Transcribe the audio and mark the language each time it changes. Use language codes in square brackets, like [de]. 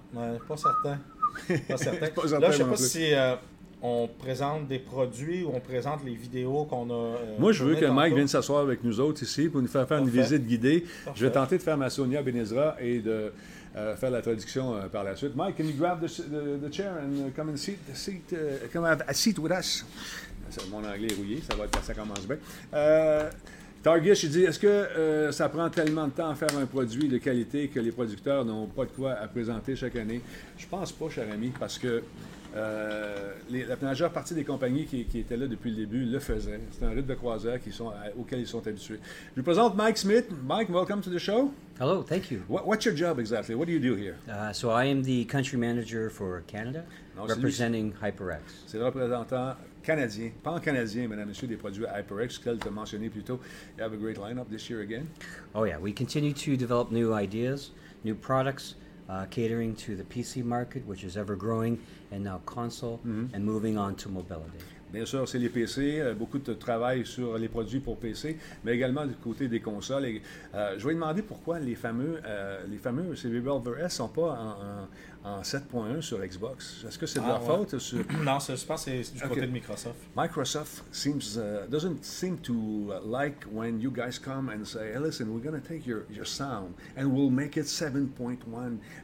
[fr] Ouais, pas certain. Pas certain. Là, je ne sais pas si... on présente des produits ou on présente les vidéos qu'on a... Moi, je veux que Mike vienne s'asseoir avec nous autres ici pour nous faire une visite guidée. Parfait. Je vais tenter de faire ma Sonia Benezra et de faire la traduction par la suite. [en] Mike, can you grab the chair and come and come have a seat with us? [fr] Mon anglais est rouillé, ça commence bien. Targish, il dit, est-ce que ça prend tellement de temps à faire un produit de qualité que les producteurs n'ont pas de quoi à présenter chaque année? Je pense pas, cher ami, parce que la majeure partie des compagnies qui étaient là depuis le début le faisaient. C'est un rythme de croisière auquel ils sont habitués. Je vous présente Mike Smith. Mike, [en] welcome to the show. Hello, thank you. What's your job exactly? What do you do here? So I am the country manager for Canada, representing HyperX. [fr] C'est le représentant canadien, pas en canadien, mesdames et messieurs, des produits HyperX, qu'elle t'a mentionné plus tôt. [en] You have a great lineup this year again. Oh yeah, we continue to develop new ideas, new products, catering to the PC market, which is ever-growing, and now console, and moving on to mobility. [fr] Bien sûr, c'est les PC. Beaucoup de travail sur les produits pour PC, mais également du côté des consoles. Et, je vais demander pourquoi les fameux CV Revolver S ne sont pas en 7.1 sur Xbox. Est-ce que c'est de leur faute? Non, je pense que c'est du côté de Microsoft. [en] Microsoft doesn't seem to like when you guys come and say, hey, listen, we're going to take your sound and we'll make it 7.1.